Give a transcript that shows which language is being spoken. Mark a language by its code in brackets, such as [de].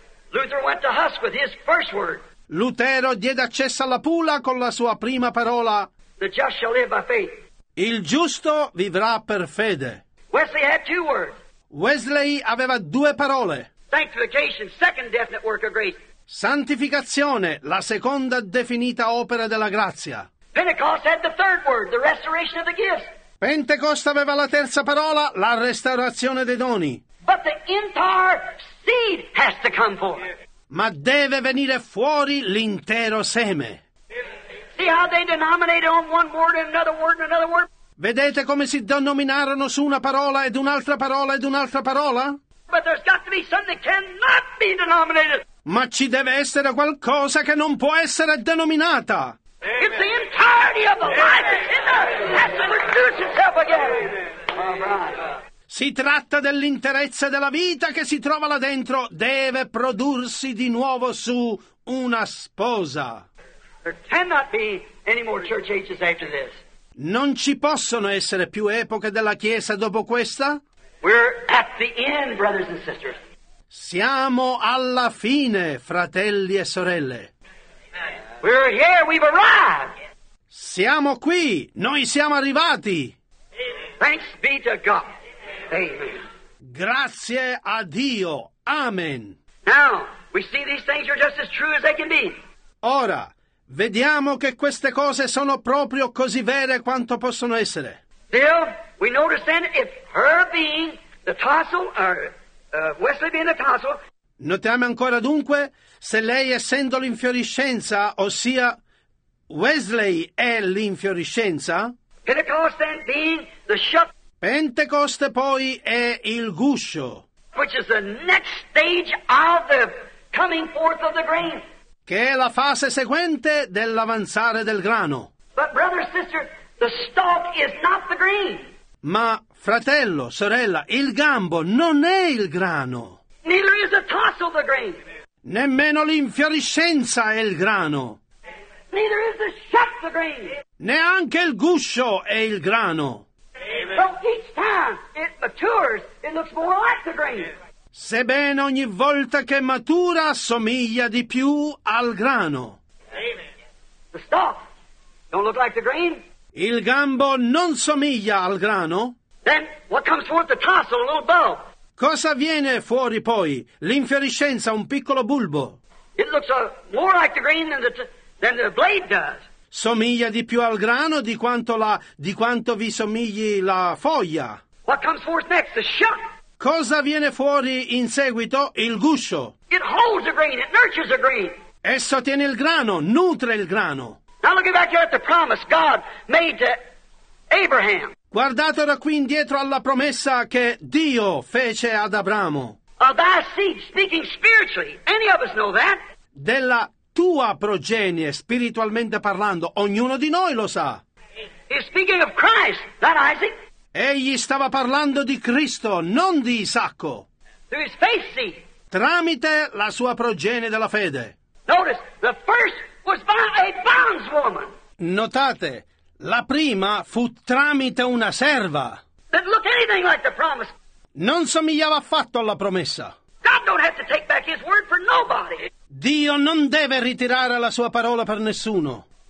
[en] Luther went to husk with his first word. [it] Lutero diede accesso alla pula con la sua prima parola. [en] The just shall live by faith. [it] Il giusto vivrà per fede. [en] Wesley had two words. [it] Wesley aveva due parole. [en] Sanctification, second definite work of grace. [it] Santificazione, la seconda definita opera della grazia. [en] Pentecost had the third word, the restoration of the gifts. [it] Pentecost aveva la terza parola, la restaurazione dei doni. [en] But the entire seed has to come forth. [it] Ma deve venire fuori l'intero seme. [en] See how they denominated on one word and another word and another word? [it] Vedete come si denominarono su una parola ed un'altra parola ed un'altra parola? [en] But there's got to be something that cannot be denominated. [it] Ma ci deve essere qualcosa che non può essere denominata. [en] It's the entirety of the life that's in there. It has to reduce itself again. [it] Si tratta dell'interezza della vita che si trova là dentro. Deve prodursi di nuovo su una sposa. [en] There cannot be any more church ages after this. [it] Non ci possono essere più epoche della Chiesa dopo questa? [en] We're at the end, brothers and sisters. [it] Siamo alla fine, fratelli e sorelle. [en] We're here, we've arrived. [it] Siamo qui, noi siamo arrivati. [en] Thanks be to God. Amen. [it] Grazie a Dio. Amen. [en] Now, we see these things are just as true as they can be. [it] Ora, vediamo che queste cose sono proprio così vere quanto possono essere. [en] Still, we notice then if her being the tassel or Wesley being the tassel. [it] Notiamo ancora dunque se lei essendo l'infioriscenza, ossia Wesley è l'infioriscenza. [en] Pentecost then being the shuttle. [it] Pentecost poi è il guscio. [en] Which is the next stage of the coming forth of the grain. [it] Che è la fase seguente dell'avanzare del grano. [en] But brother, sister, the stalk is not the grain. [it] Ma fratello, sorella, il gambo non è il grano. [en] Neither is the tassel the grain. [it] Nemmeno l'infiorescenza è il grano. [en] Neither is the shuck the grain. [it] Neanche il guscio è il grano. [en] Amen. So each time it matures, it looks more like the grain. [it] Sebbene ogni volta che matura somiglia di più al grano. [en] Amen. The stalk don't look like the grain. [it] Il gambo non somiglia al grano. [en] Then what comes forth, the tassel, a little bulb. [it] Cosa viene fuori poi? L'infiorescenza, un piccolo bulbo. [en] It looks more like the grain than the blade does. [it] Somiglia di più al grano di quanto vi somigli la foglia. [en] What comes forth next, the shuck. [it] Cosa viene fuori in seguito? Il guscio. [en] It holds the grain, it nurtures the grain. [it] Esso tiene il grano, nutre il grano. [en] Now look back here at the promise God made to Abraham. [it] Guardate ora qui indietro alla promessa che Dio fece ad Abramo. [en] Of thy seed, speaking spiritually. Any of us know that. [it] Della tua progenie, spiritualmente parlando, ognuno di noi lo sa. [en] He's speaking of Christ, not Isaac. [it] Egli stava parlando di Cristo, non di Isacco. [en] Through his faith seed. [it] Tramite la sua progenie della fede. [en] Notice, the first was by a bondswoman. [it] Notate, la prima fu tramite una serva. [en] Didn't look anything like the promise. [it] Non somigliava affatto alla promessa. [en] God don't have to take back his word for nobody. [it] Dio non deve ritirare la sua parola per nessuno.